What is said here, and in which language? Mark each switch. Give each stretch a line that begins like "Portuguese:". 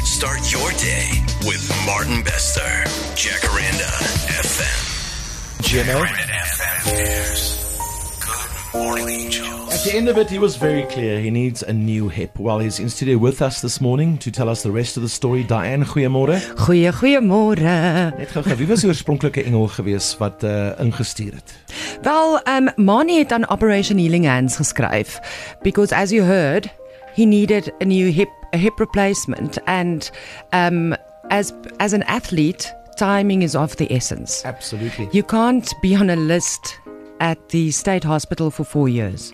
English: Start your day with Martin Bester, Jacaranda FM. Jimmy. Jacaranda FM airs. Good morning, angels. At the end of it, he was very clear. He needs a new hip. Well, he's in studio with us this morning to tell us the rest of the story.
Afrikaans: Diane, goeiemôre. Goeiemôre. Net gou-gou, wie was die oorspronklike engel gewees wat ingestuur het? Wel, Marnie het aan Operation Healing Hands geskryf.
English: Because as you heard, he needed a new hip, a hip replacement. And as an athlete, timing is of the essence. Absolutely. You can't be on a list at the state hospital for 4 years.